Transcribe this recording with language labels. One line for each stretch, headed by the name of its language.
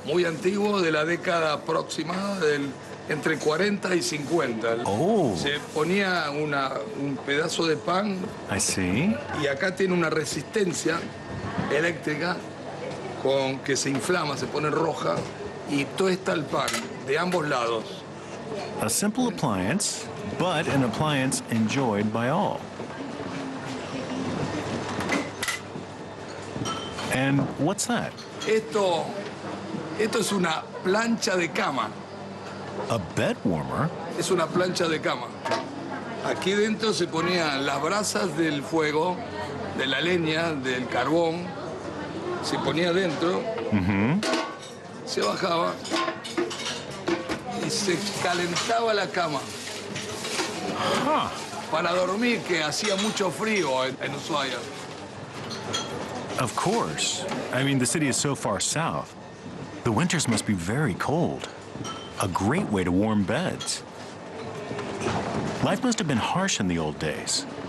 Spanish: Muy antiguo, de la década aproximada del... entre 40 y 50. Oh. Se ponía un pedazo de pan.
English: I see.
Spanish: Y acá tiene una resistencia eléctrica con que se inflama, se pone roja, y tuesta el pan de ambos lados.
English: A simple appliance, but an appliance enjoyed by all. And what's that?
Spanish: Esto es una plancha de cama.
English: A bed warmer.
Spanish: Es una plancha de cama. Aquí dentro se ponían las brasas del fuego, de la leña, del carbón. Se ponía dentro. Mm-hmm. Se bajaba y se calentaba la cama. Huh. Para dormir, que hacía mucho frío en Ushuaia.
English: Of course. I mean, the city is so far south. The winters must be very cold. A great way to warm beds. Life must have been harsh in the old days.